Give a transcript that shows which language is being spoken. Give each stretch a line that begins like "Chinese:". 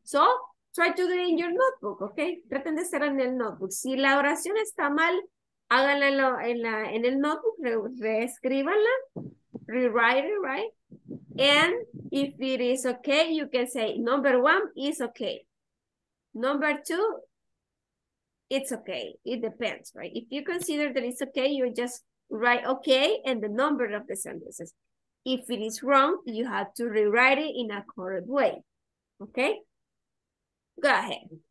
English: So, try to do it in your notebook, okay?
Spanish: Traten de hacerlo en el notebook. Si la oración está mal, háganla en el notebook, reescríbanla,
English: rewrite it,
Spanish: right?
English: And if it is okay, you can say, number one, is okay. Number two, it's okay. It depends, right? If you consider that it's okay, you just write okay and the number of the sentences. If it is wrong, you have to rewrite it in a correct way. Okay? Go ahead.